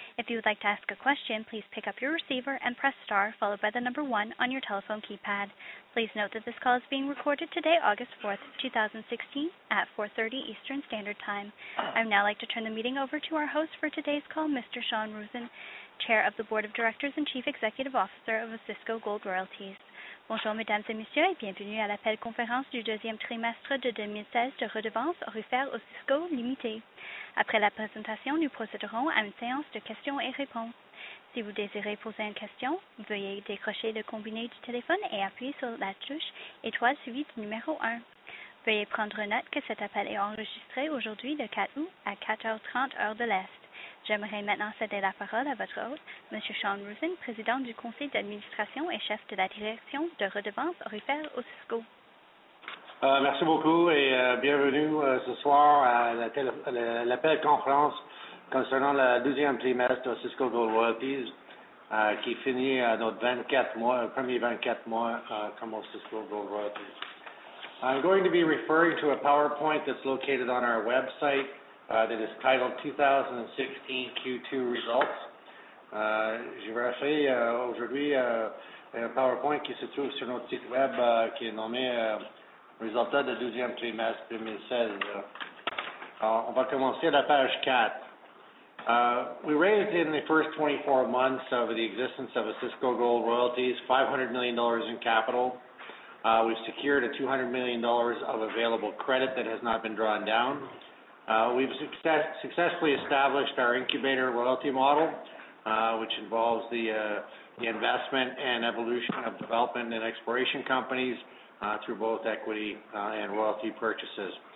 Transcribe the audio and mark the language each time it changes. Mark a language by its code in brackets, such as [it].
[en] If you would like to ask a question, please pick up your receiver and press star followed by the number 1 on your telephone keypad. Please note that this call is being recorded today, August 4th, 2016, at 4:30 Eastern Standard Time. I would now like to turn the meeting over to our host for today's call, Mr. Sean Rosen, Chair of the Board of Directors and Chief Executive Officer of Osisko Gold Royalties. [fr] Bonjour, mesdames et messieurs, et bienvenue à l'appel conférence du deuxième trimestre de 2016 de redevances orifères Osisko Limité. Après la présentation, nous procéderons à une séance de questions et réponses. Si vous désirez poser une question, veuillez décrocher le combiné du téléphone et appuyer sur la touche étoile suivie du numéro 1. Veuillez prendre note que cet appel est enregistré aujourd'hui le 4 août à 14h30 heure de l'Est. J'aimerais maintenant céder la parole à votre hôte, M. Sean Rosen, président du conseil d'administration et chef de la direction de redevances orifères Osisko. Merci beaucoup et bienvenue ce soir à l'appel conférence concernant le deuxième trimestre Osisko Gold Royalties qui finit notre 24 mois, premier 24 mois comme Osisko Gold Royalties. [en] I'm going to be referring to a PowerPoint that's located on our website. That is titled 2016 Q2 Results. [fr] Je vais acheter aujourd'hui un PowerPoint qui se trouve sur notre site web qui est nommé Résultats du deuxième trimestre 2016. On va commencer à la page 4. [en] We raised in the first 24 months of the existence of Osisko Gold Royalties $500 million in capital. We've secured a $200 million of available credit that has not been drawn down. We've successfully established our incubator royalty model, which involves the investment and evolution of development and exploration companies through both equity and royalty purchases.